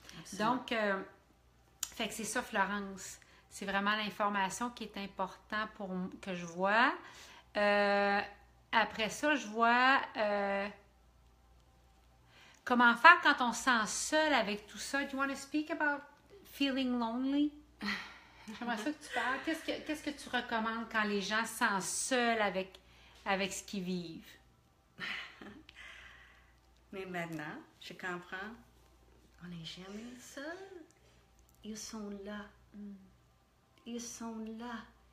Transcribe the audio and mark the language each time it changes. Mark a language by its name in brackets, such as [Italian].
[French] Absolument. Donc... Fait que c'est ça, Florence. C'est vraiment l'information qui est importante pour que je vois. Après ça, je vois comment faire quand on se sent seul avec tout ça. [English] Do you want to speak about feeling lonely? [French] J'aimerais ça que tu parles. Qu'est-ce que tu recommandes quand les gens se sentent seuls avec ce qu'ils vivent? Mais maintenant, je comprends. On n'est jamais seul. Ils sont là. Ils sont là.